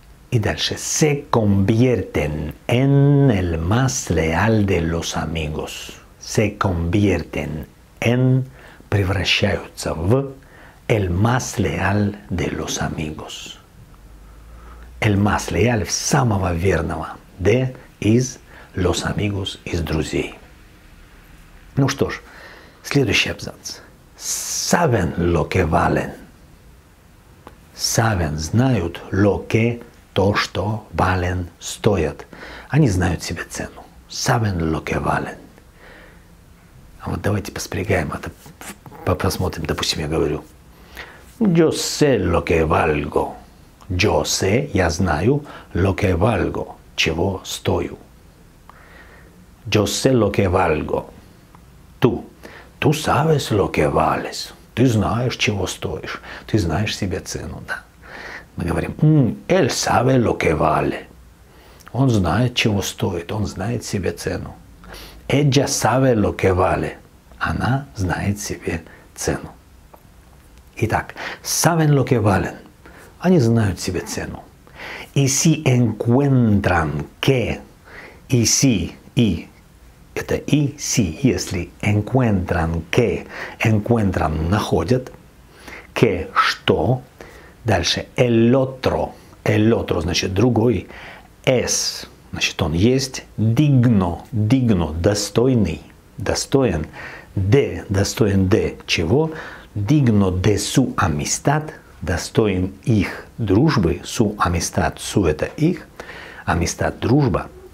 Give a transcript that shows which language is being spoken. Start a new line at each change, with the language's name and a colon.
Spanish: Y
Russian: дальше,
Spanish: se convierten en el más leal de los amigos. Se convierten en,
Russian: превращаются в,
Spanish: el más leal de los amigos. El más leal,
Russian: самого верного,
Spanish: de, из, los amigos,
Russian: из друзей. Ну что ж, следующий абзац.
Spanish: Saben lo que valen. Saben,
Russian: знают,
Spanish: lo que
Russian: то, что вален, стоят. Они знают себе цену.
Spanish: Saben lo que valen.
Russian: А вот давайте поспрягаем это, посмотрим, допустим, я говорю.
Spanish: Yo sé lo que valgo. Yo sé,
Russian: я знаю,
Spanish: lo que valgo,
Russian: чего стою.
Spanish: Yo sé lo que valgo. Tú. Tú sabes lo que vales.
Russian: Ты знаешь, чего стоишь. Ты знаешь себе цену, да. Мы говорим,
Spanish: él sabe lo que vale.
Russian: Он знает, чего стоит, он знает себе цену.
Spanish: Ella sabe lo que vale.
Russian: Она знает себе цену. Итак,
Spanish: saben lo que valen.
Russian: Они знают себе цену.
Spanish: Y si encuentran que, y si,
Russian: и, это и,
Spanish: si,
Russian: если
Spanish: encuentran que, encuentran,
Russian: находят, que, что, дальше, el otro, значит, другой, es, значит, он есть, digno, digno, достойный, достоин, de, достоин de, чего,
Spanish: digno de su amistad,
Russian: достоин их дружбы,
Spanish: su amistad,
Russian: su это их, amistad, дружба,